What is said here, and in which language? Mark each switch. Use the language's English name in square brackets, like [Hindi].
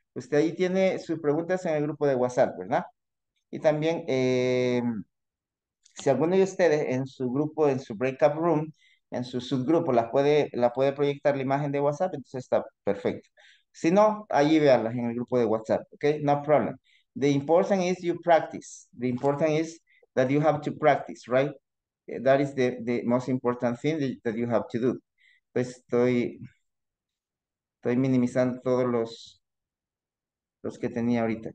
[Spanish] Usted ahí tiene sus preguntas en el grupo de WhatsApp, ¿verdad? Y también, si alguno de ustedes en su grupo, en su breakout room, en su subgrupo, la puede proyectar la imagen de WhatsApp, entonces está perfecto. Si no, allí véanlas en el grupo de WhatsApp, ¿ok? [English] No problem. The important is you practice. The important is that you have to practice, right? That is the most important thing that you have to do. [Spanish] Pues estoy minimizando todos los que tenía ahorita.